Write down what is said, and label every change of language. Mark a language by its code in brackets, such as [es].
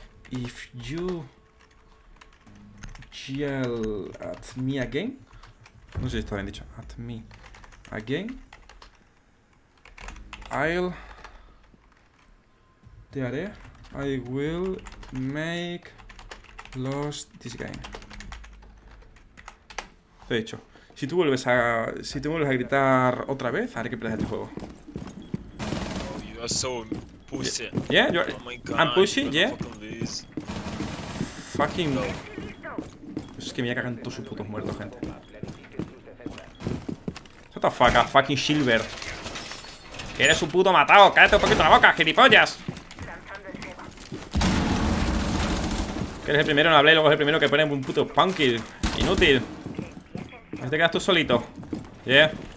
[en] If you yell at me again, [es] no sé si está bien dicho, [en] at me again, I'll [es] te haré, [en] I will make lost this game. [es] Lo he dicho. Si tú vuelves a, si tú vuelves a gritar otra vez, haré que pierdas este juego. [en] So pussy. Yeah, you're, oh my God, I'm pushy, yeah. Fucking no. [es] Es que me voy a cagar en todos sus putos muertos, gente. [en] What the fuck, fucking [es] Silver. Que eres un puto matado. Cállate un poquito la boca, gilipollas. Que eres el primero en hablar y luego es el primero que pone un puto punkil. Inútil. Ahí te quedas tú solito. Yeah.